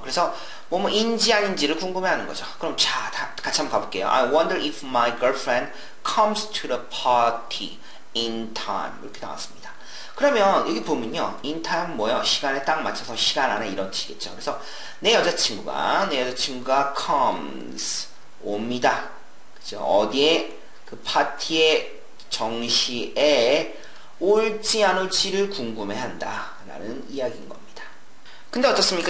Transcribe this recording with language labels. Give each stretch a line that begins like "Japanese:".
Korean: 그래서 뭐인지 아닌지를 궁금해하는 거죠. 그럼 자, 다 같이 한번 가볼게요.
English: I wonder if my girlfriend comes to the party in time.
Korean: 이렇게 나왔습니다. 그러면 여기 보면요,
English: in time
Korean: 뭐요? 시간에 딱 맞춰서 시간 안에 이런 뜻이겠죠. 그래서 내 여자친구가 comes 옵니다. 그죠? 어디에 그 파티의 정시에 올지 안 올지를 궁금해한다라는 이야기인 겁니다. 근데 어떻습니까?